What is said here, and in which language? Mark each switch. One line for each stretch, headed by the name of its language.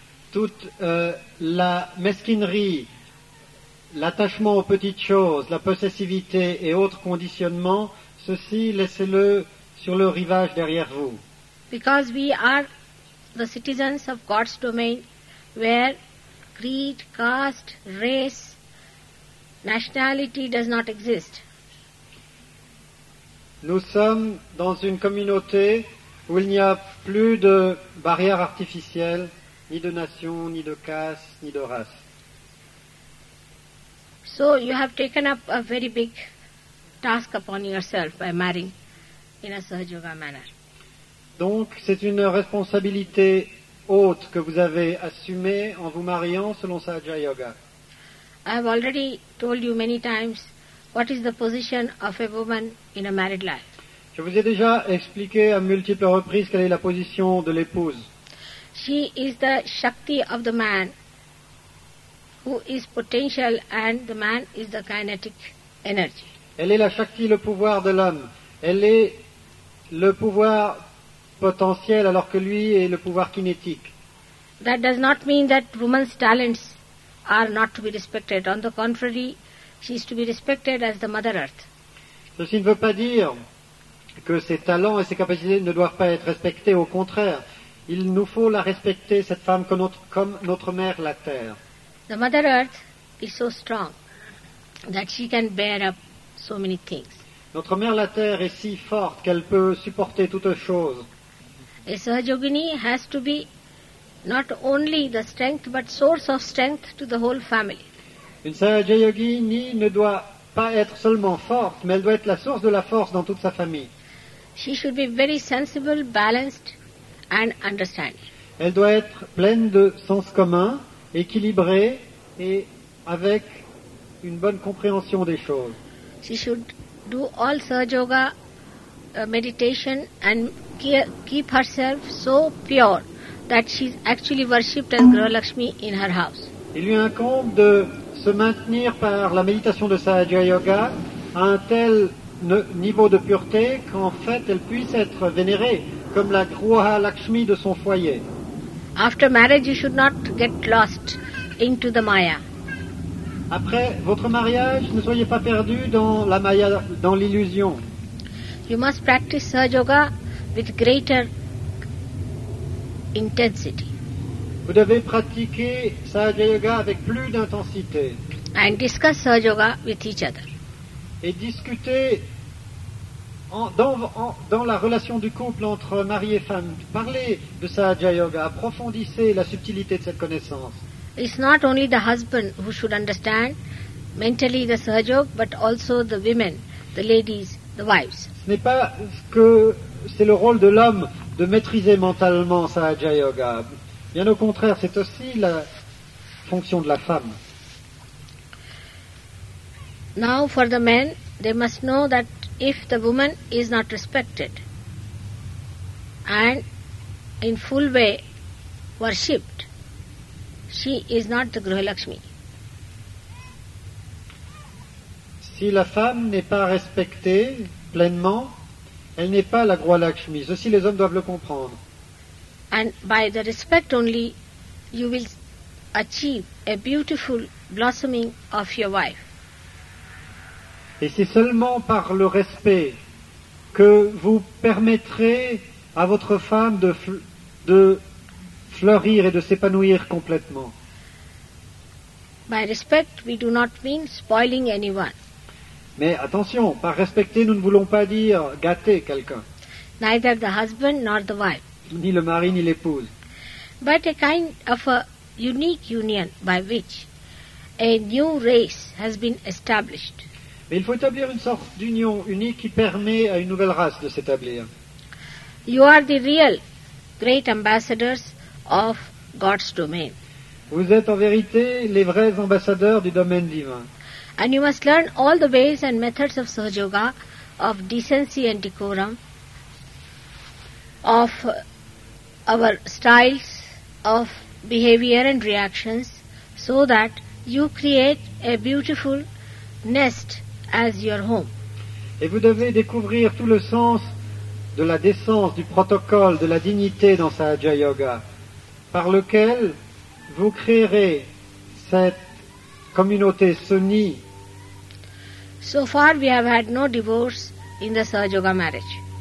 French: Toute la mesquinerie, l'attachement aux petites choses, la possessivité et autres conditionnements, ceci, laissez-le sur le rivage derrière vous.
English: Because we are the citizens of God's domain, where creed, caste, race, nationality does not exist.
French: Nous sommes dans une communauté où il n'y a plus de barrières artificielles, ni de nation, ni de caste, ni de race.
English: So you have taken up a very big task upon yourself by marrying in a Sahaja Yoga manner.
French: Donc, c'est une responsabilité haute que vous avez assumée en vous mariant selon Sahaja Yoga.
English: I have already told you many times what is the position of a woman in a married life.
French: Je vous ai déjà expliqué à multiples reprises quelle est la position de l'épouse.
English: She is the Shakti of the man, who is potential, and the man is the kinetic energy.
French: Elle est la Shakti, le pouvoir de l'homme. Elle est le pouvoir potentiel, alors que lui est le pouvoir kinétique.
English: That does not mean that woman's talents are not to be respected. On the contrary, she is to be respected as the Mother Earth.
French: Ceci ne veut pas dire que ses talents et ses capacités ne doivent pas être respectés. Au contraire, il nous faut la respecter, cette femme, comme notre mère, la Terre.
English: The Mother Earth is so strong that she can bear up so many things.
French: Notre mère, la Terre, est si forte qu'elle peut supporter toutes choses.
English: A Sahaja Yogini has to be not only the strength, but source of strength to the whole family.
French: Une Sahaja Yogini ne doit pas être seulement forte, mais elle doit être la source de la force dans toute sa famille.
English: She should be very sensible, balanced and understanding.
French: Elle doit être pleine de sens commun, équilibrée et avec une bonne compréhension des choses.
English: She should do all Sahaja Yoga meditation and keep herself so pure that she's actually worshipped as Guru Lakshmi in her house.
French: Il lui incombe de se maintenir par la méditation de Sahaja Yoga à un tel niveau de pureté qu'en fait elle puisse être vénérée comme la Gruha Lakshmi de son foyer.
English: After marriage, you should not get lost into the Maya.
French: Après votre mariage, ne soyez pas perdu dans la Maya, dans l'illusion.
English: You must practice Sahaja Yoga with greater intensity.
French: Vous devez pratiquer Sahaja Yoga avec plus d'intensité.
English: And discuss Sahaja Yoga with each other.
French: Et discuter dans la relation du couple entre mari et femme. Parlez de Sahaja Yoga, approfondissez la subtilité de cette connaissance.
English: It's not only the husband who should understand mentally the Sahaja Yoga, but also the women, the ladies, the wives.
French: Ce n'est pas que c'est le rôle de l'homme de maîtriser mentalement Sahaja Yoga. Bien au contraire, c'est aussi la fonction de la femme.
English: Now for the men, they must know that if the woman is not respected and in full way worshipped, she is not the Grihalakshmi.
French: Si la femme n'est pas respectée pleinement, elle n'est pas la Grihalakshmi. Ceci les hommes doivent le comprendre.
English: And by the respect only, you will achieve a beautiful blossoming of your wife.
French: Et c'est seulement par le respect que vous permettrez à votre femme de fleurir et de s'épanouir complètement.
English: By respect, we do not mean spoiling anyone.
French: Mais attention, par respecter, nous ne voulons pas dire gâter quelqu'un.
English: Neither the husband nor the wife.
French: Ni le mari ni l'épouse.
English: But a kind of a unique union by which a new race has been established.
French: Mais il faut établir une sorte d'union unique qui permet à une nouvelle race de s'établir.
English: You are the real great ambassadors of God's domain.
French: Vous êtes en vérité les vrais ambassadeurs du domaine divin.
English: And you must learn all the ways and methods of Sahaja Yoga, of decency and decorum, of our styles of behavior and reactions, so that you create a beautiful nest as your home.
French: Et vous devez découvrir tout le sens de la décence, du protocole, de la dignité dans Sahaja Yoga, par lequel vous créerez cette communauté, ce nid.
English: So far we have had no divorce in the Sahaja Yoga marriage.